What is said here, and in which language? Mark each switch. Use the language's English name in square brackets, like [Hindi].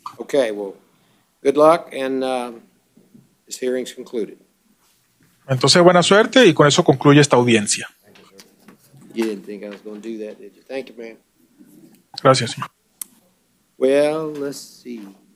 [English] Okay, well, good luck, and this hearing's concluded. [Spanish] Entonces, buena suerte, y con eso concluye esta audiencia. [English] You didn't think I was going to do that, did you? Thank you, ma'am. [Spanish] Gracias, señor. [English] Well, let's see.